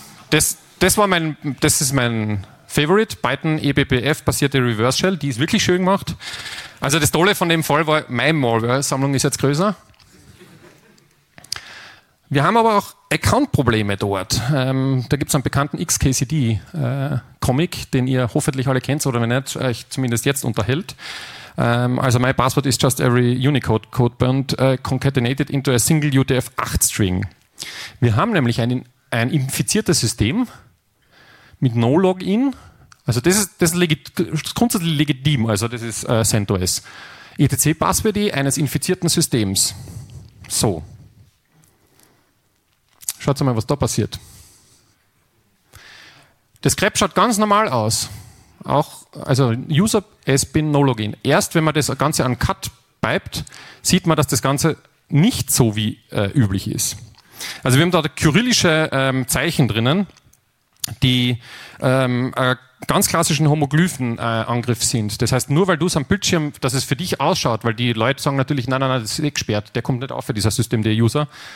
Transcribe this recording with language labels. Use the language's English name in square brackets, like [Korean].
[German] Das ist mein Favorite, Python EBPF-basierte Reverse Shell, die ist wirklich schön gemacht. Also das Tolle von dem Fall war, meine Malware-Sammlung ist jetzt größer. Wir haben aber auch Account-Probleme dort. Da gibt es einen bekannten XKCD-Comic, den ihr hoffentlich alle kennt, oder wenn nicht, euch zumindest jetzt unterhält. [English] Also my password is just every Unicode codeband concatenated into a single UTF-8 string. [German] Wir haben nämlich ein infiziertes System mit No-Login. Also das ist grundsätzlich legitim, also das ist CentOS. etc/passwd eines infizierten Systems. So. Schaut mal, was da passiert. Das Grep schaut ganz normal aus. Auch, also User has been no login. Erst wenn man das Ganze an Cut pipet, sieht man, dass das Ganze nicht so wie üblich ist. Also wir haben da kyrillische Zeichen drinnen, die ganz klassischen Homoglyphen-Angriff sind. Das heißt, nur weil du es am Bildschirm, dass es für dich ausschaut, weil die Leute sagen natürlich, nein, das ist eh gesperrt, der kommt nicht auf für dieser System, der User.